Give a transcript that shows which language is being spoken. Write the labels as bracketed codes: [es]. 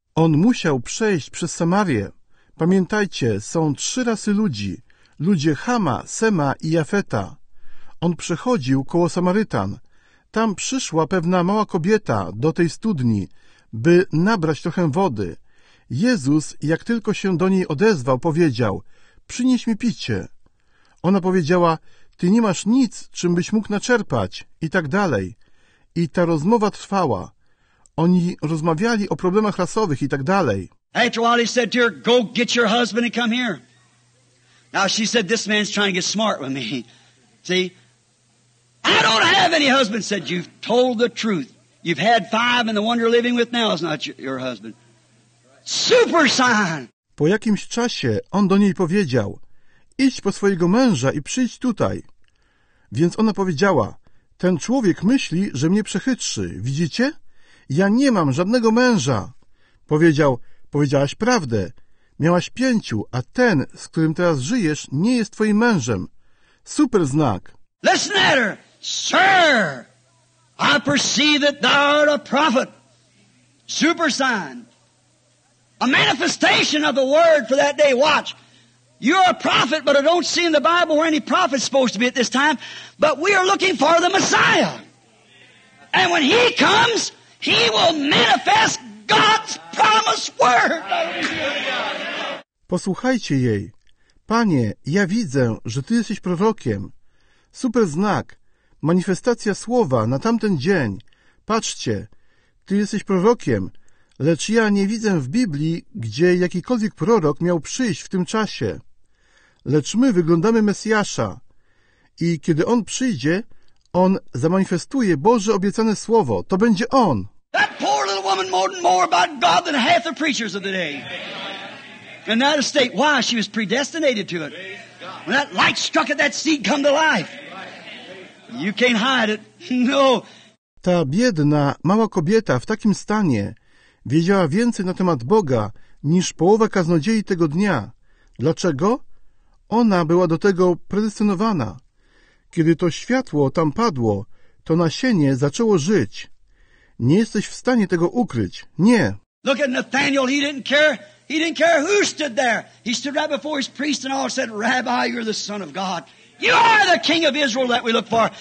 [pl] On musiał przejść przez Samarię. Pamiętajcie, są trzy rasy ludzi. Ludzie Hama, Sema i Jafeta. On przechodził koło Samarytan. Tam przyszła pewna mała kobieta do tej studni, by nabrać trochę wody. Jezus, jak tylko się do niej odezwał, powiedział: przynieś mi picie. Ona powiedziała: ty nie masz nic, czym byś mógł naczerpać, i tak dalej. I ta rozmowa trwała. Oni rozmawiali o problemach rasowych i tak dalej. [en] After a while he said to her, go get your husband and come here. Now she said, this man's trying to get smart with me. See? I don't have any husband, said, you've told the truth. You've had five and the one you're living with now is not your husband. Super sign! [pl] Po jakimś czasie on do niej powiedział, idź po swojego męża i przyjdź tutaj. Więc ona powiedziała, ten człowiek myśli, że mnie przechytrzy, widzicie? Ja nie mam żadnego męża. Powiedział, powiedziałaś prawdę. Miałaś pięciu, a ten, z którym teraz żyjesz, nie jest twoim mężem. Super znak. [en] Listen at her. Sir, I perceive that thou art a prophet. Super sign. A manifestation of the word for that day. Watch. You're a prophet, but I don't see in the Bible where any prophet's supposed to be at this time. But we are looking for the Messiah. And when he comes, he will manifest God's promised word. [pl] Posłuchajcie jej. Panie, ja widzę, że ty jesteś prorokiem. Super znak. Manifestacja słowa na tamten dzień. Patrzcie, ty jesteś prorokiem, lecz ja nie widzę w Biblii, gdzie jakikolwiek prorok miał przyjść w tym czasie. Lecz my wyglądamy Mesjasza. I kiedy on przyjdzie, on zamanifestuje Boże obiecane słowo. To będzie on. [en] That poor little woman more about God than half the preachers of the day. And that estate, why? She was predestinated to it. When that light struck at that seed, come to life. You can't hide it. No. [pl] Ta biedna, mała kobieta w takim stanie wiedziała więcej na temat Boga niż połowa kaznodziei tego dnia. Dlaczego? Ona była do tego predestynowana. Kiedy to światło tam padło, to nasienie zaczęło żyć. Nie jesteś w stanie tego ukryć. Nie. [en] Look at Nathaniel. He didn't care who stood there. He stood right before his priest and all said, Rabbi, you're the son of God. You are the king of Israel that we look for.